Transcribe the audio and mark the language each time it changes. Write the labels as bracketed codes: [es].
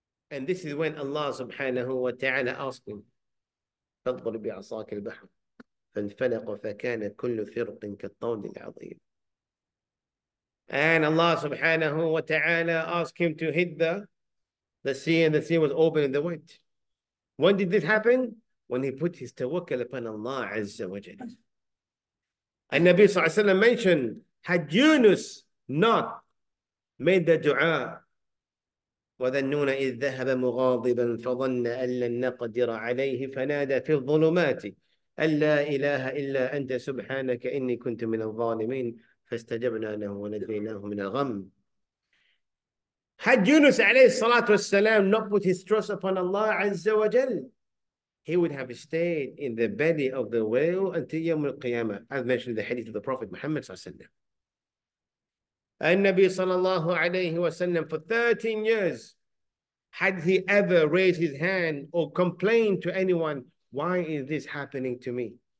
[en] And this is when Allah subhanahu wa ta'ala asked him, [ar] فَاضْرِبْ بِعَصَاكَ الْبَحْرَ فَانْفَلَقَ فَكَانَ كُلُّ فِرْقٍ كَالطَّوْدِ الْعَظِيمِ. [en] And Allah subhanahu wa ta'ala asked him to hit the sea, and the sea was open and they went. When did this happen? When he put his tawakkul upon Allah Azza wa Jal. [ar] And Nabi sallallahu alayhi wa sallam mentioned, had Yunus not made the dua, وَذَنُّونَ إِذْ ذَهَبَ مُغَاضِبًا فَظَنَّ أَلَّا نَقَدِرَ عَلَيْهِ فَنَادَ فِي الظُّلُمَاتِ أَلَّا إِلَهَ إِلَّا أَنْتَ سُبْحَانَكَ إِنِّي كُنْتُ مِنَ الظَّالِمِينَ فَاسْتَجَبْنَا لَهُ وَنَجَّيْنَاهُ مِنَ الْغَمِّ. [en] Had Yunus alayhi salatu wasalam not put his trust upon Allah Azza wa Jal, he would have stayed in the belly of the whale until Yawm al-Qiyamah, as mentioned in the hadith of the Prophet Muhammad sallallahu alayhi wa sallam. An-Nabi sallallahu alayhi wa sallam, for 13 years, had he ever raised his hand or complained to anyone, why is this happening to me?